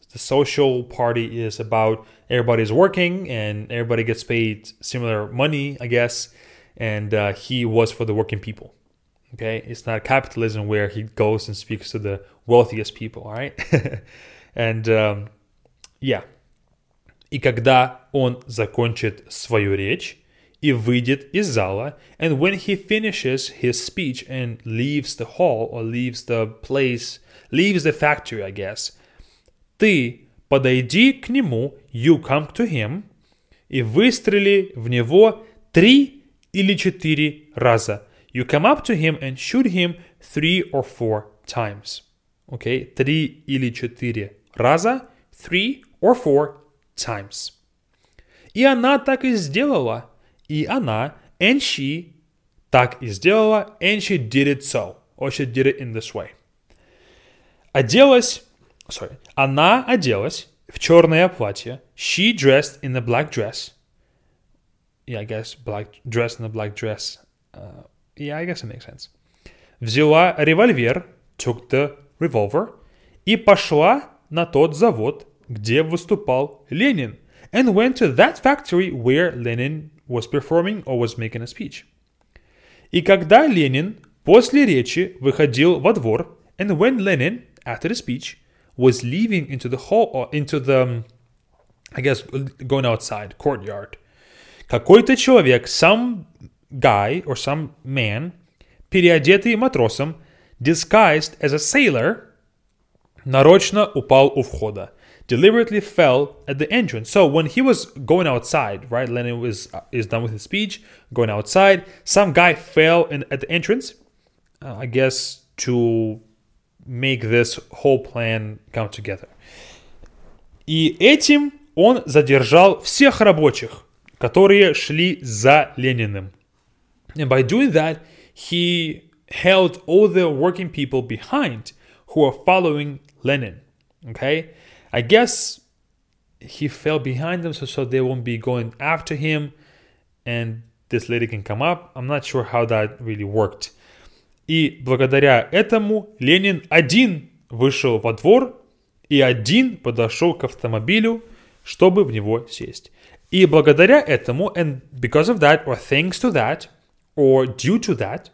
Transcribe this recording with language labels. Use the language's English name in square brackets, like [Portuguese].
[English] The social party is about everybody's working and everybody gets paid similar money, I guess. And he was for the working people. Okay, it's not capitalism where he goes and speaks to the wealthiest people, all right? And [Russian] И когда он закончит свою речь и выйдет из зала, [English] and when he finishes his speech and leaves the hall or leaves the place, leaves the factory, I guess, [Russian] ты подойди к нему, [English] you come to him, [Russian] и выстрели в него три или четыре раза. [English] You come up to him and shoot him three or four times. [Russian] Okay, три или четыре раза, [English] three or four times. [Russian] И она так и сделала. И она, [English] and she, [Russian] так и сделала, [English] and she did it so. Or she did it in this way. [Russian] Она оделась в черное платье. [English] She dressed in a black dress. Yeah, I guess black dress in a black dress. Yeah, I guess it makes sense. [Russian] Взяла револьвер, [English] took the revolver, [Russian] и пошла на тот завод, где выступал Ленин. [English] And went to that factory where Lenin was performing or was making a speech. [Russian] И когда Ленин после речи выходил во двор, [English] and when Lenin, after the speech, was leaving into the hall, or into the, I guess, going outside, courtyard, [Russian] какой-то человек, [English] some guy or some man, [Russian] переодетый матросом, [English] disguised as a sailor, [Russian] нарочно упал у входа. [English] Deliberately fell at the entrance. So when he was going outside, right? Lenin is done with his speech, going outside. Some guy fell at the entrance, I guess, to make this whole plan come together. [Russian] И этим он задержал всех рабочих, которые шли за Лениным. [English] And by doing that, he held all the working people behind who are following Lenin, okay? I guess he fell behind them so they won't be going after him and this lady can come up. I'm not sure how that really worked. [Russian] И благодаря этому Ленин один вышел во двор и один подошел к автомобилю, чтобы в него сесть. И благодаря этому, [English] and because of that, or thanks to that, or due to that,